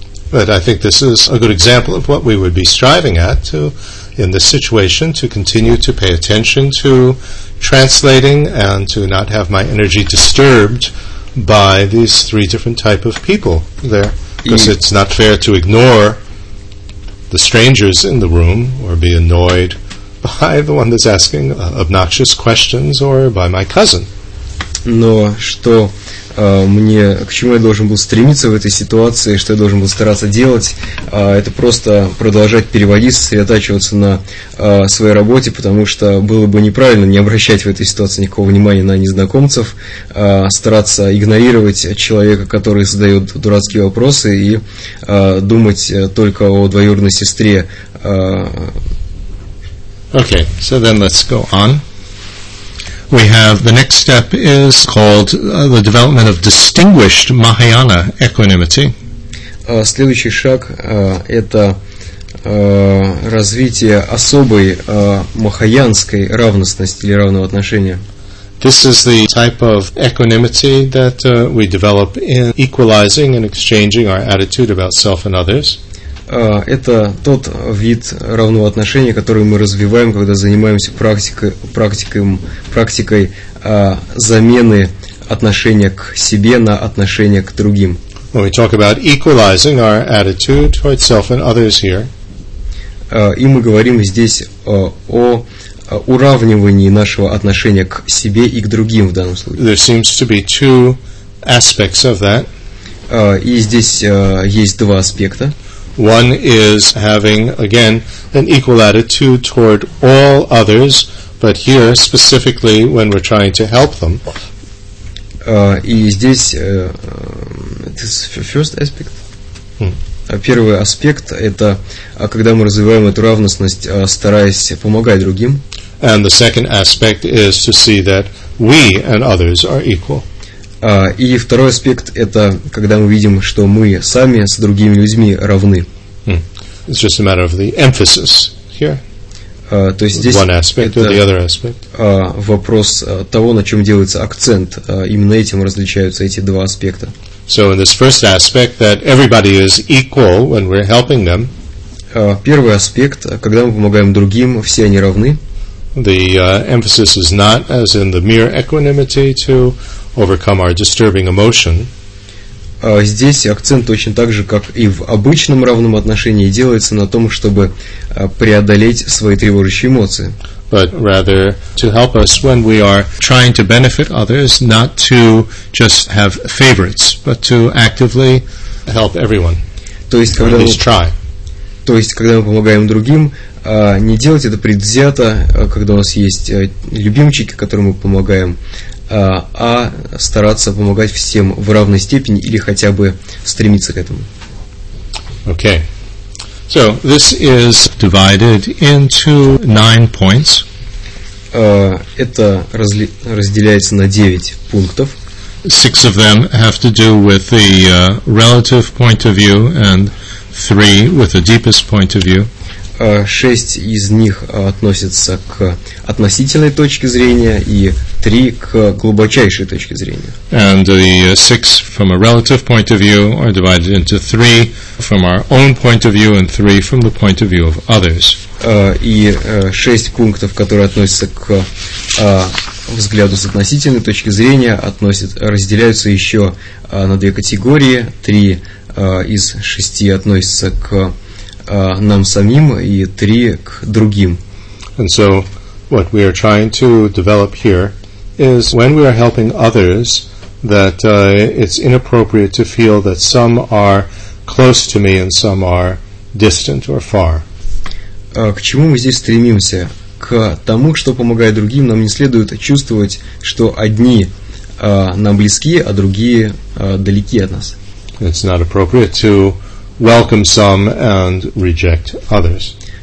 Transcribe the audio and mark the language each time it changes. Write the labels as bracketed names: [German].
[English] But I think this is a good example of what we would be striving at to, in this situation, to continue to pay attention to translating and to not have my energy disturbed by these three different type of people there. Because it's not fair to ignore the strangers in the room or be annoyed by the one that's asking obnoxious questions or by my cousin. [Russian] Но что мне, к чему я должен был стремиться в этой ситуации, что я должен был стараться делать, это просто продолжать переводить, сосредотачиваться на своей работе, потому что было бы неправильно не обращать в этой ситуации никакого внимания на незнакомцев, стараться игнорировать человека, который задает дурацкие вопросы, и думать только о двоюродной сестре. [English] Okay, so then let's go on. We have the next step is called the development of distinguished Mahayana equanimity. [Russian] Следующий шаг это развитие особой махаянской равностности или равного отношения. [English] This is the type of equanimity that we develop in equalizing and exchanging our attitude about self and others. [Russian] Это тот вид равного отношения, который мы развиваем, когда занимаемся практикой замены отношения к себе на отношение к другим. [English] When we talk about equalizing our attitude towards self and others here, [Russian] и мы говорим здесь о уравнивании нашего отношения к себе и к другим в данном случае. [English] There seems to be two aspects of that. [Russian] И здесь есть два аспекта. [English] One is having, again, an equal attitude toward all others, but here, specifically, when we're trying to help them. [Russian] И здесь, [English] this is the first aspect. [Russian] Первый аспект – это когда мы развиваем эту равностность, стараясь помогать другим. [English] And the second aspect is to see that we and others are equal. [Russian] И второй аспект – это когда мы видим, что мы сами с другими людьми равны. [English] It's just a matter of the emphasis here. [Russian] То есть здесь [English] one aspect [Russian] это [English] or the other aspect. [Russian] Вопрос того, на чем делается акцент. Именно этим различаются эти два аспекта. [English] So in this first aspect, that everybody is equal when we're helping them. [Russian] Первый аспект, когда мы помогаем другим, все они равны. [English] The emphasis is not as in the mere equanimity to overcome our disturbing emotion. [Russian] Здесь акцент точно так же, как и в обычном равном отношении, делается на том, чтобы преодолеть свои тревожащие эмоции. [English] But rather to help us when we are trying to benefit others, not to just have favorites, but to actively help everyone. [Russian] То есть, когда, [English] at least try. [Russian] То есть, когда мы помогаем другим, не делать это предвзято, когда у нас есть любимчики, которым мы помогаем, а стараться помогать всем в равной степени или хотя бы стремиться к этому. [English] Okay. So, this is divided into 9 points. [Russian] Это разделяется на 9 пунктов. [English] 6 of them have to do with the relative point of view and 3 with the deepest point of view. [Russian] Шесть из них относятся к относительной точке зрения и три к глубочайшей точке зрения. [English] And the six from a relative point of view are divided into three from our own point of view and three from the point of view of others. [Russian] И шесть пунктов, которые относятся к взгляду с относительной точки зрения, разделяются еще на две категории. Три из шести относятся к нам самим и три к другим. [English] And so what we are trying to develop here is when we are helping others that it's inappropriate to feel that some are close to me and some are distant or far. [Russian] К чему мы здесь стремимся? К тому, что помогая другим, нам не следует чувствовать, что одни нам близки, а другие далеки от нас. [English] It's not appropriate to welcome some and reject others.